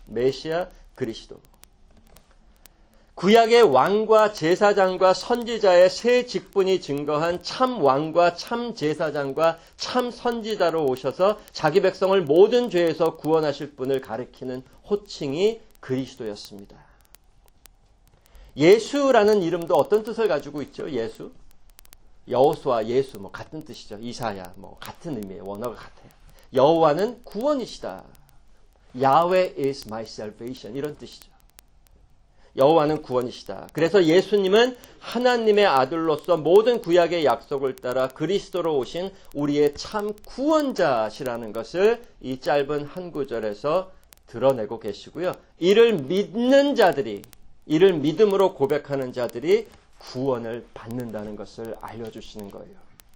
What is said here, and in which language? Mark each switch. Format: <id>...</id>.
<ko>메시아, 그리스도. 구약의 왕과 제사장과 선지자의 세 직분이 증거한 참 왕과 참 제사장과 참 선지자로 오셔서 자기 백성을 모든 죄에서 구원하실 분을 가리키는 호칭이 그리스도였습니다. 예수라는 이름도 어떤 뜻을 가지고 있죠? 예수? 여호수아, 예수 뭐 같은 뜻이죠. 이사야 뭐 같은 의미예요. 원어가 같아요. 여호와는 구원이시다.</ko> <en>Yahweh is my salvation</en> <ko>이런 뜻이죠. 여호와는 구원이시다. 그래서 예수님은 하나님의 아들로서 모든 구약의 약속을 따라 그리스도로 오신 우리의 참 구원자시라는 것을 이 짧은 한 구절에서 드러내고 계시고요. 이를 믿는 자들이, 이를 믿음으로 고백하는 자들이 구원을 받는다는 것을 알려주시는 거예요.</ko>